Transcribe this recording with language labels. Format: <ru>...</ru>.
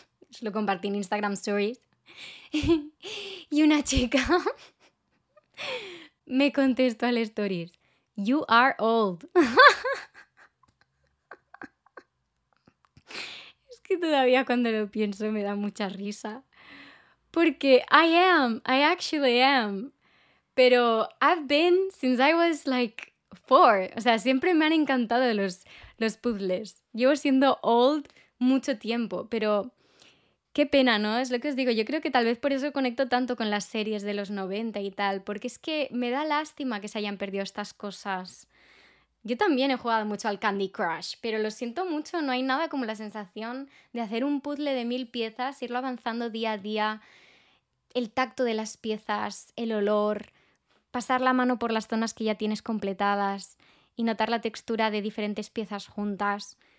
<es>Se lo compartí en Instagram Stories. Y una chica me contestó al Stories:</es> <en>"You are old".</en> <es>Es que todavía cuando lo pienso me da mucha risa. Porque</es> <en>I am, I actually am.</en> <es>Pero</es> <en>I've been since I was like 4.</en> <es>O sea, siempre me han encantado los puzzles. Llevo siendo old mucho tiempo, pero qué pena, ¿no? Es lo que os digo. Yo creo que tal vez por eso conecto tanto con las series de los 90 y tal, porque es que me da lástima que se hayan perdido estas cosas. Yo también he jugado mucho al Candy Crush, pero lo siento mucho, no hay nada como la sensación de hacer un puzzle de 1000 piezas, irlo avanzando día a día, el tacto de las piezas, el olor, pasar la mano por las zonas que ya tienes completadas y notar la textura de diferentes piezas juntas.</es>